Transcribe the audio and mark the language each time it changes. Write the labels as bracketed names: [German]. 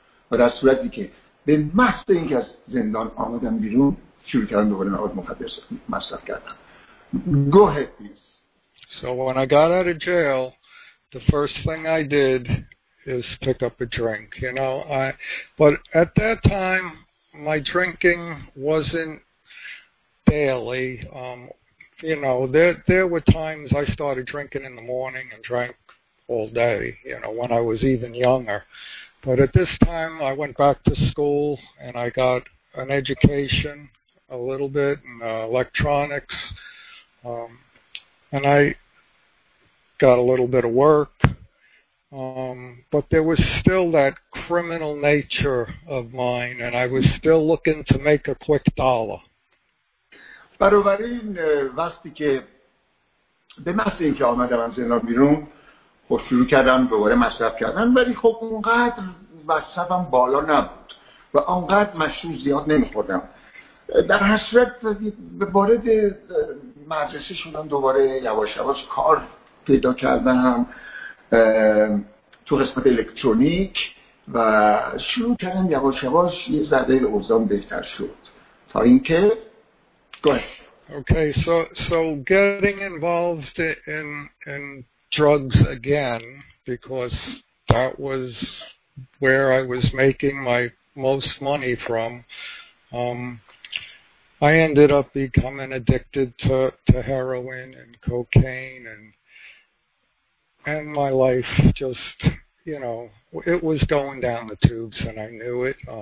[Persian] و در صورتی که به محض اینکه از زندان آمدم بیرون شروع کردم دوباره مواد مخدر مصرف کردم. [English] Go ahead please. So when I got out of jail, the first thing I did is pick up a drink, you know. But at that time, my drinking wasn't daily. You know, there were times I started drinking in the morning and drank all day, you know, when I was even younger. But at this time, I went back to school and I got an education a little bit in electronics. And I got a little bit of work, but there was still that criminal nature of mine, and I was still looking to make a quick dollar. [Persian] بنابراین وقتی که به محض اینکه آمدم از زندان بیرون خب شروع کردم دوباره مصرف کردن، ولی خب اونقدر وصفم بالا نبود و اونقدر مشروب زیاد نمیخوردم. در هر صورت به وارد مدرسه شدم، دوباره یواش یواش کار پیدا کردم تو قسمت الکترونیک و شروع کردم یواش یواش یه ذره اوضاعم بهتر شد تا اینکه گوه. [English] Okay, so getting involved in drugs again, because that was where I was making my most money from. I ended up becoming addicted to heroin and cocaine and my life just, you know, it was going down the tubes and I knew it.